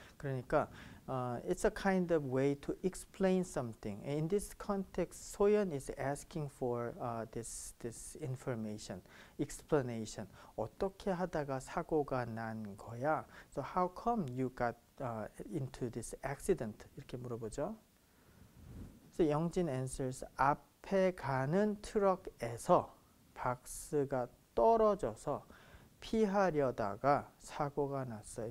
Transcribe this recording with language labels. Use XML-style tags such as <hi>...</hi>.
<ko>그러니까</ko> <en>it's a kind of way to explain something. In this context, 소연 is asking for this information, explanation.</en> <ko>어떻게 하다가 사고가 난 거야?</ko> <en>So how come you got into this accident?</en> <ko>이렇게 물어보죠. 영진 answers 앞에 가는 트럭에서 박스가 떨어져서 피하려다가 사고가 났어요.</ko>